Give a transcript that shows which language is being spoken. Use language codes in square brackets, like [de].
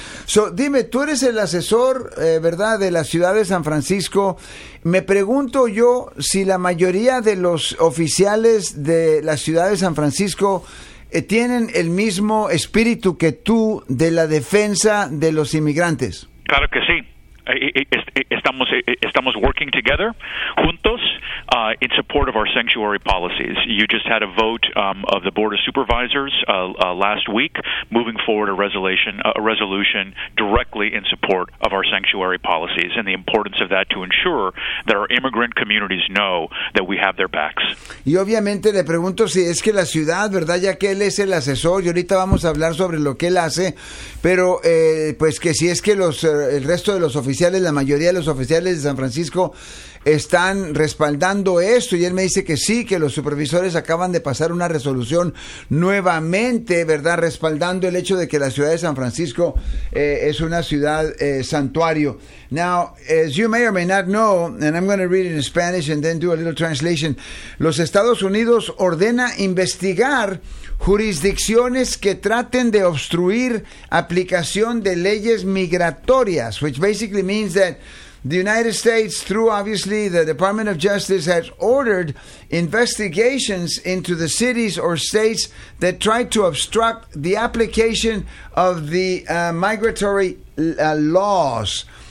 [es] So, dime, tú eres el asesor, ¿verdad?, de la ciudad de San Francisco. Me pregunto yo si la mayoría de los oficiales de la ciudad de San Francisco tienen el mismo espíritu que tú de la defensa de los inmigrantes. Claro que sí. Estamos [en] working together, [es] juntos, [en] in support of our sanctuary policies. You just had a vote of the Board of Supervisors last week, moving forward a resolution directly in support of our sanctuary policies and the importance of that to ensure that our immigrant communities know that we have their backs. [es] Y obviamente le pregunto si es que la ciudad, ¿verdad?, ya que él es el asesor, y ahorita vamos a hablar sobre lo que él hace, pero pues que si es que el resto de los oficiales, la mayoría de los oficiales de San Francisco están respaldando esto, y él me dice que sí, que los supervisores acaban de pasar una resolución nuevamente, ¿verdad?, respaldando el hecho de que la ciudad de San Francisco es una ciudad santuario. [en] Now, as you may or may not know, and I'm going to read it in Spanish and then do a little translation, [es] los Estados Unidos ordena investigar jurisdicciones que traten de obstruir aplicación de leyes migratorias, [en] which basically means that the United States, through obviously the Department of Justice, has ordered investigations into the cities or states that try to obstruct the application of the migratory laws.